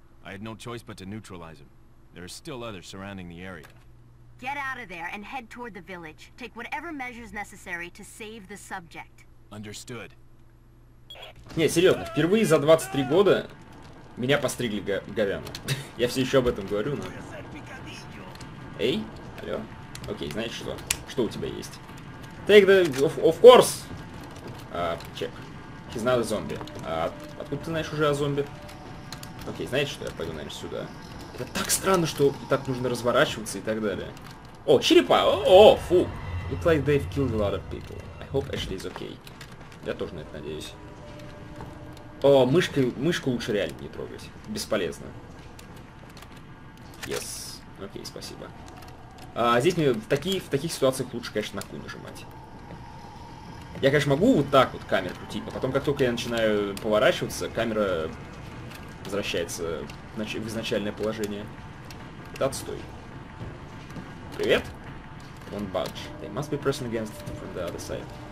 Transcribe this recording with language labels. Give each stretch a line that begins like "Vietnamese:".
English: I had no choice but to neutralize him. There are still others surrounding the area. Get out of there and head toward the village. Take whatever measures necessary to save the subject. Understood.
Russian: Не, серьезно, впервые за 23 года меня постригли говяну. Я все еще об этом говорю, но... Эй, алло. Окей, знаешь что? Что у тебя есть?
English: Take the... Of course!
Russian: Чек.
English: He's not a zombie.
Russian: Откуда ты знаешь уже о зомби? Окей, знаете что, я пойду, наверное, сюда. Это так странно, что так нужно разворачиваться и так далее. О, черепа! О, фу!
English: Look like they've killed a lot of people. I hope Ashley is okay.
Russian: Я тоже на это надеюсь. О, мышку лучше реально не трогать. Бесполезно. Yes. Окей, спасибо. Здесь мне в таких ситуациях лучше, конечно, на Q нажимать. Я, конечно, могу вот так вот камеру крутить, но потом, как только я начинаю поворачиваться, камера... Возвращается в изначальное положение. Это отстой. Привет?
English: Don't budge. They must be pressing against it from the other side.